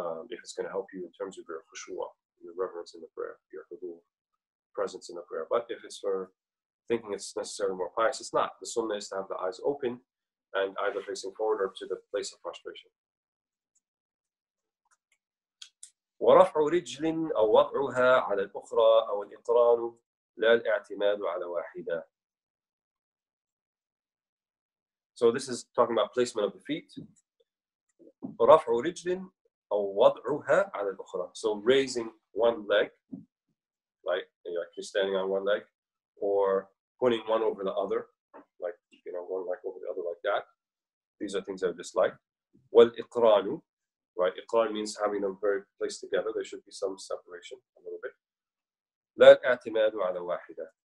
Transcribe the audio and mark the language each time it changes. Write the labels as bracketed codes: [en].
[en] If it's going to help you in terms of your khushua, your reverence in the prayer, your hudur, presence in the prayer. But if it's for thinking it's necessarily more pious, it's not. The sunnah is to have the eyes open, and either facing forward or to the place of prostration. [ar] ورفع رجل أو وضعها على الأخرى أو الإقران لا الاعتماد على واحدة. [en] So this is talking about placement of the feet. [ar] رفع رجل أو وضعها على الأخرى. [en] So raising one leg, like actually standing on one leg, or putting one over the other, like, you know, one leg over the other like that. These are things I dislike. Wal iqranu, right? Iqran means having them very placed together. There should be some separation a little bit. [ar] La i'timadu ala wahida.